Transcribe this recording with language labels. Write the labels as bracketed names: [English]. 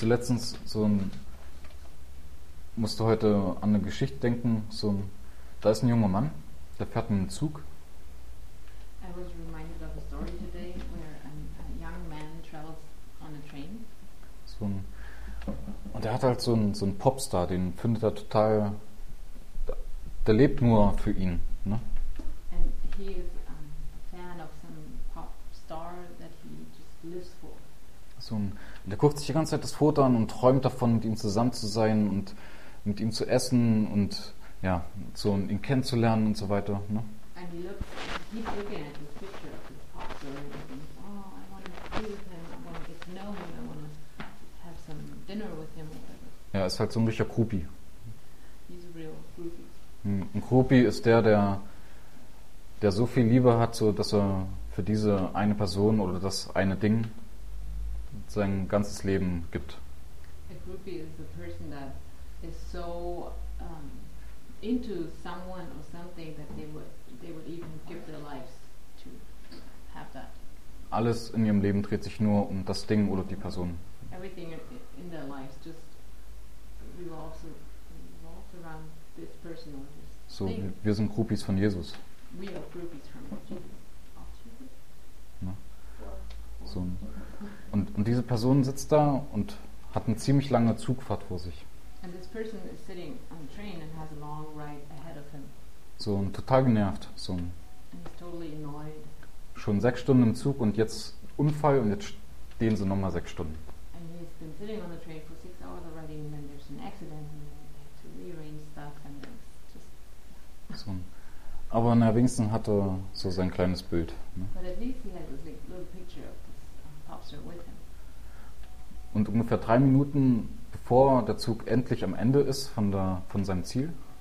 [German] Ich musste heute an eine Geschichte denken. Da ist ein junger Mann, der fährt einen Zug. [English] I was reminded of a story today where a young man travels on a train. [German] Und er hat halt so einen Popstar, den findet er total. Der lebt nur für ihn, ne? [English] And he is a fan of some pop star that he just lives for. [German] Und er guckt sich die ganze Zeit das Foto an und träumt davon, mit ihm zusammen zu sein und mit ihm zu essen und ja, so ihn kennenzulernen und so weiter, ne? [English] And he looks, he's looking at this picture of this pop star and thinks, oh, I want to be with him, I want to get to know him, I want to have some dinner with him or whatever. [German] Ja, ist halt so ein richtiger Groupie. [English] He's a real groupie. [German] Ein Groupie ist der so viel Liebe hat, so dass er für diese eine Person oder das eine Ding sein ganzes Leben gibt. [English] A groupie is a person that is so into someone or something that they would even give their lives to have that. [German] Alles in ihrem Leben dreht sich nur um das Ding oder die Person. [English] Everything in their lives just revolves around this person or this thing. [German] So, wir sind Groupies von Jesus. [English] We are groupies from Jesus. [German] Ja. So. Und diese Person sitzt da und hat eine ziemlich lange Zugfahrt vor sich. [English] And this person is sitting on the train and has a long ride ahead of him. [German] So, und total genervt. So. [English] And he's totally annoyed. [German] Schon 6 Stunden im Zug und jetzt Unfall und jetzt stehen sie nochmal 6 Stunden. [English] And he's been sitting on the train for 6 hours already and then there's an accident and they have to rearrange stuff and it's just... [German] So. Aber na, wenigstens hat er so sein kleines Bild. Ne? [English] But at least he has a little picture of this pastor with him. [German] Und ungefähr 3 Minuten bevor der Zug endlich am Ende ist von seinem Ziel.